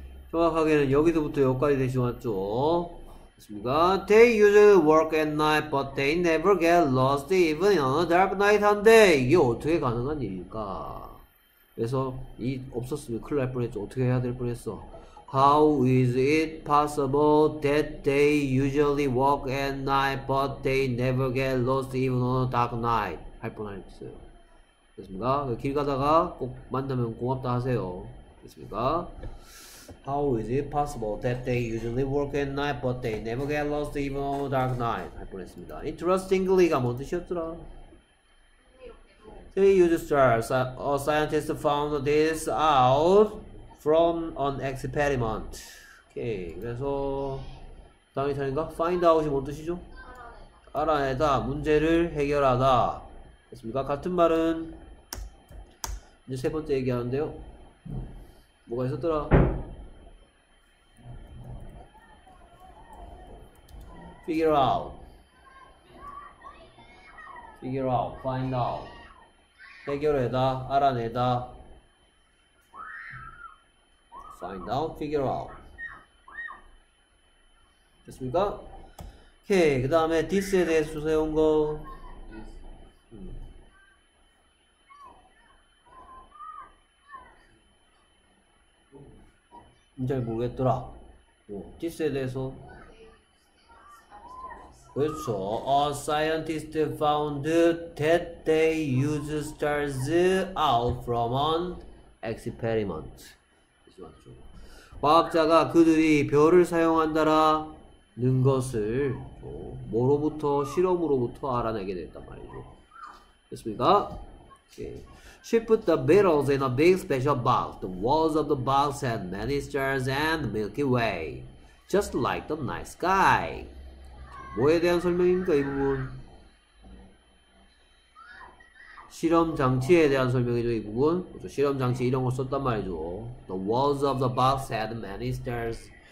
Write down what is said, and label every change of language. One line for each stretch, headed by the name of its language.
Korean: 정확하게는 여기서부터 여기까지 대신 왔죠. 맞습니까?
English: They usually work at night, but they never get lost even on a dark night.
Korean: 한데 이게 어떻게 가능한 일일까? 그래서 이 없었으면 큰일 날 뻔했죠. 어떻게 해야 될 뻔했어?
English: How is it possible that they usually walk at night, but they never get lost even on a dark night?
Korean: 할 뻔하셨어요. 됐습니까? 길 가다가 꼭 만나면 고맙다 하세요. 됐습니까?
English: How is it possible that they usually work at night, but they never get lost even on a dark night?
Korean: 할 뻔했습니다. Interestingly가 뭔 뜻이었더라?
English: They use stars. A scientist found this out from an experiment. Okay.
Korean: 그래서 다음이 차례인가? Find out이 뭔 뜻이죠? 알아내다, 문제를 해결하다. 됐습니까? 같은 말은 이제 세 번째 얘기하는데요. 뭐가 있었더라?
English: Figure out. Figure out. Find out.
Korean: 해결해다, 알아내다.
English: Find out, figure out.
Korean: 됐습니까? 오케이, 그 다음에 this에 대해서 주세요, 온거. This. 잘 모르겠더라. 뭐, this에 대해서. 그렇죠.
English: A scientist found that they use stars out from an experiment.
Korean: 과학자가 그들이 별을 사용한다라는 것을 뭐로부터 실험으로부터 알아내게 됐단 말이죠. 됐습니까?
English: Okay. She put the beetles in a big special box. The walls of the box had many stars and the Milky Way, just like the night sky.
Korean: 뭐에 대한 설명입니까, 이 부분? 실험 장치에 대한 설명이죠, 이 부분. 그렇죠. 실험 장치 이런 걸 썼단 말이죠.
English: The walls of the box had many stars.